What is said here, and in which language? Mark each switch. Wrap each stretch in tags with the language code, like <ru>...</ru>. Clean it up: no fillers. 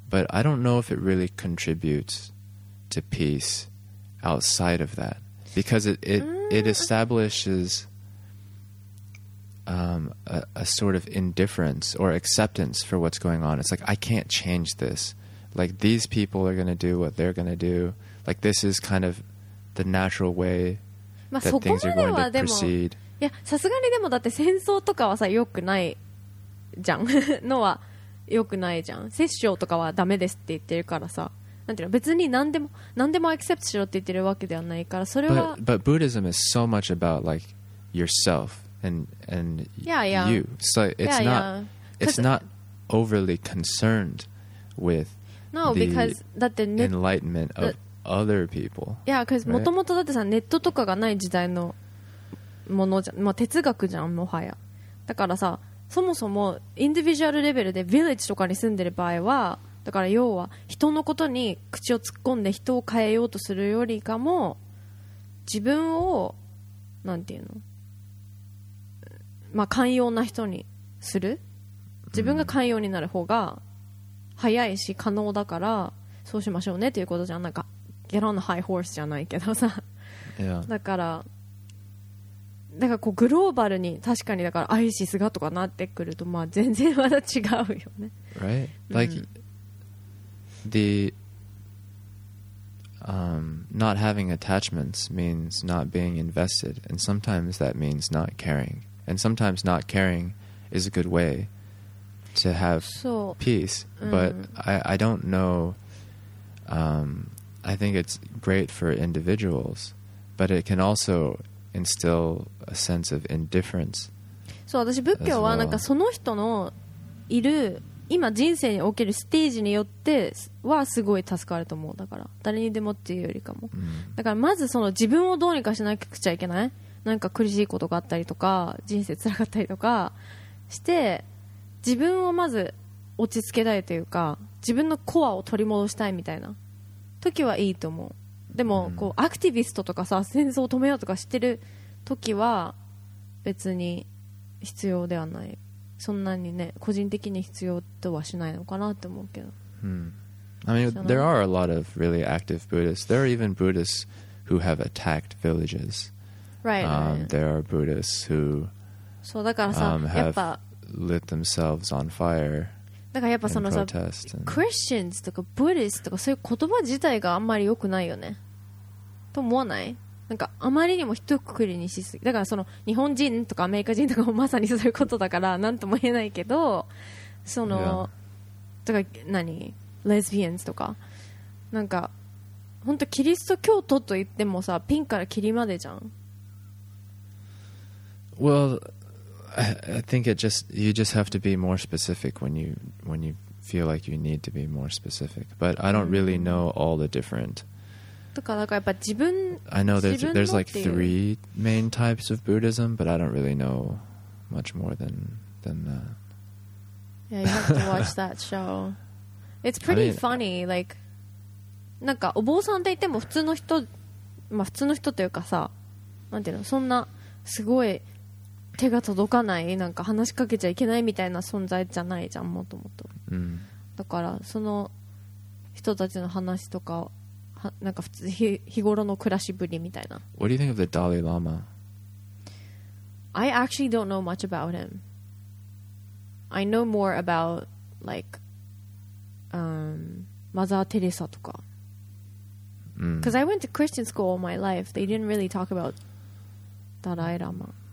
<en>But I don't know if it really contributes to peace outside of that, because it establishes. A sort of indifference or acceptance for what's going on. It's like, I can't change this. Like, these people are going to do what they're going to do. Like, this is kind of the natural way that things are going to proceed.</en> <ja>いや、さすがにでもだって戦争とかはさ、良くないじゃん。のは良くないじゃん。殺傷とかはダメですって言ってるからさ。なんていうの、別に何でもアクセプトしろって言ってるわけではないから、それは。</ja> <en>But Buddhism is so much about, like, yourself. And you, so it's not it's not overly concerned with the enlightenment of other people. Yeah, because</en> <ja>もともとだってさ、ネットとかがない時代のものじゃ、まあ哲学じゃん、もはや。だからさ、そもそもインディビジュアルレベルでヴィレッジとかに住んでる場合は、だから要は人のことに口を突っ込んで人を変えようとするよりかも、自分をなんていうの、まあ寛容な人にする、自分が寛容になる方が早いし可能だから、そうしましょうねということじゃん。なんか</ja> <en>Get on the high horse</en> <ja>じゃないけどさ、</ja> <en>yeah.</en> <ja>だからこうグローバルに、確かにだからアイシスがとかなってくると、まあ全然まだ違うよね。</ja> <en>Right? Like、うん、the、not having attachments means not being invested, and sometimes that means not caring, and sometimes not caring is a good way to have peace、</en> <ja>うん、</ja> <en>but I don't know、I think it's great for individuals, but it can alsoinstill a sense of indifference.</en> <ja>そう、私仏教はなんかその人のいる今人生におけるステージによってはすごい助かると思う。だから誰にでもっていうよりかも、だからまずその自分をどうにかしなくちゃいけない、なんか苦しいことがあったりとか人生つらかったりとかして、自分をまず落ち着けたいというか、自分のコアを取り戻したいみたいな時はいいと思う。でもこうアクティビストとかさ、戦争を止めようとかしてる時は別に必要ではない、そんなにね個人的に必要とはしないのかなって思うけど、</ja> <en>I mean there are a lot of really active Buddhists. There are even Buddhists who have attacked villages. Right. There are Buddhists who</en> <ja>そうだからさ、</ja> <en>have lit themselves on fire.</en> <ja>だからやっぱそのさ、クリスチャンとかブディスとかそういう言葉自体があんまり良くないよねと思わない？なんかあまりにも一括りにしすぎ、だからその日本人とかアメリカ人とかもまさにそういうことだから何とも言えないけど、その、</ja> <en>yeah.</en> <ja>とか何レズビアンズとか、なんか本当キリスト教徒と言ってもさ、ピンからキリまでじゃん。</ja> <en>WellI think it just, you just have to be more specific when you feel like you need to be more specific. But I don't really know all the different. I know there's like three main types of Buddhism, but I don't really know much more than that. Yeah, you have to watch that show. It's pretty funny.</en> <ja>Like, なんかお坊さんって言っても普通の人、まあ普通の人というかさ、なんていうの、そんなすごい手が届かない、なんか話しかけちゃいけないみたいな存在じゃないじゃん、もともと。だからその人たちの話とか、なんか普通 日頃の暮らしぶりみたいな。</ja> <en>What do you think of the Dalai Lama? I actually don't know much about him. I know more about like Mother Teresa とか。 Because I went to Christian school all my life. They didn't really talk about Dalai Lama.</en>